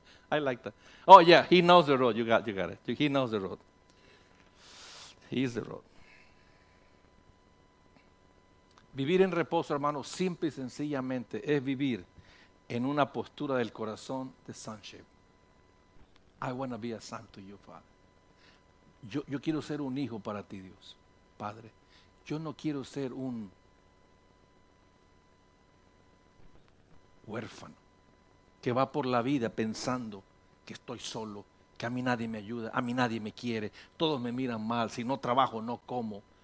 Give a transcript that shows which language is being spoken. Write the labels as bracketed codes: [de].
[en] I like that. Oh, yeah, he knows the road. You got it. He knows the road. He is the road. [es] Vivir en reposo, hermano, simple y sencillamente, es vivir en una postura del corazón de sonship. [en] I want to be a son to you, Father. [es] Yo quiero ser un hijo para ti, Dios, Padre. Yo no quiero ser un huérfano que va por la vida pensando que estoy solo, que a mí nadie me ayuda, a mí nadie me quiere, todos me miran mal, si no trabajo, no como.